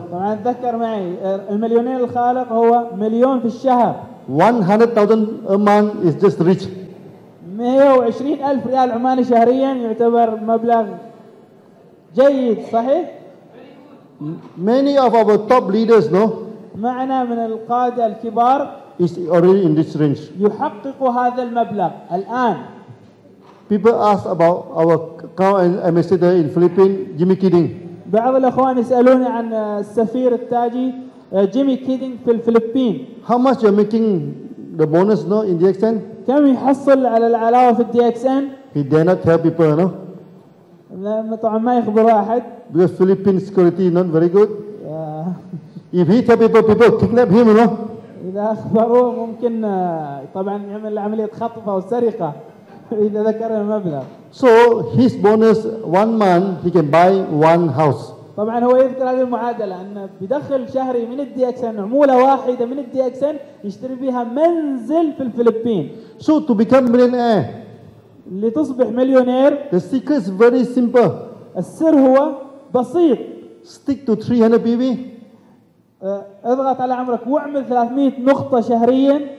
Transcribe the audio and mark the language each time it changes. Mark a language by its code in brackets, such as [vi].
[ar] طبعا تذكر معي المليونير الخالق هو مليون في الشهر. [en] 100,000 a month is just rich. [ar] 120,000 ريال عماني شهريا يعتبر مبلغ جيد صحيح؟ [en] Many of our top leaders, no? [ar] معنا من القادة الكبار [en] is already in this range. [ar] يحقق هذا المبلغ الآن. [en] People ask about our current ambassador in Philippines, Jimmy Keating. [ar] بعض الأخوان يسألوني عن السفير التاجي جيمي كيدينغ في الفلبين. [en] How much you're making the bonus, no, in DXN? [ar] كم يحصل على العلاوة في DXN? [en] He dare not tell people, no. [ar] طبعا ما يخبر أحد. [en] Because Philippine security not very good. If he tell people kidnap him, no. [ar] إذا أخبروه ممكن طبعا يعمل عملية خطف أو سرقة إذا ذكر المبلغ. [en] So his bonus one month he can buy one house. [ar] طبعا هو يذكر هذه المعادلة أن بدخل شهري من الديكسن عمولة واحدة من الديكسن يشتري بها منزل في الفلبين. [en] So to become millionaire. [ar] لتصبح مليونير. [en] The secret is very simple. [ar] السر هو بسيط. [en] Stick to 300 BB. [ar] اضغط على عمرك واعمل 300 نقطة شهريا.